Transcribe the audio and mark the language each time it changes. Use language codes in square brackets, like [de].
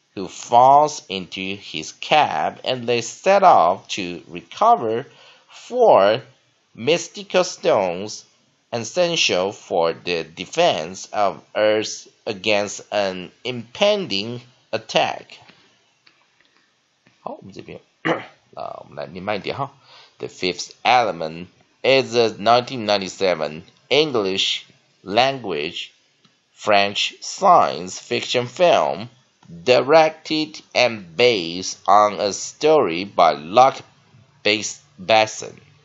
[en] Who falls into his cab and they set off to recover four mystical stones essential for the defense of Earth against an impending attack。 [zh] 好，我们这边，那我们来念慢一点哈。 [en] The fifth element is the 1997 English language French science fiction film directed and based on a story by Luc Besson.